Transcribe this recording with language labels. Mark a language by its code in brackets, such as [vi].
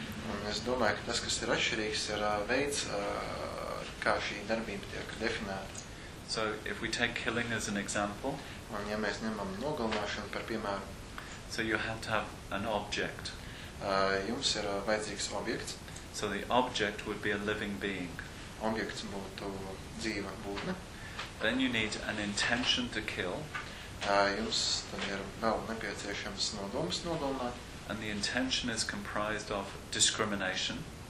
[lv] Un es domāju, ka tas, kas ir atšķirīgs, ir veids, kā šī darbība tiek definēta. [en] So if we take killing as an example, [lv] un ja mēs ņemam nogalināšanu par piemēru, [en] so you have to have an object. [lv] Jums ir vajadzīgs objekts. [en] So the object would be a living being. [lv] Objekts būtu dzīva būtne. [en] Then you need an intention to kill. [lv] Jums tad ir vēl nepieciešams nodoms nogalināt. [en] And the intention is comprised of discrimination.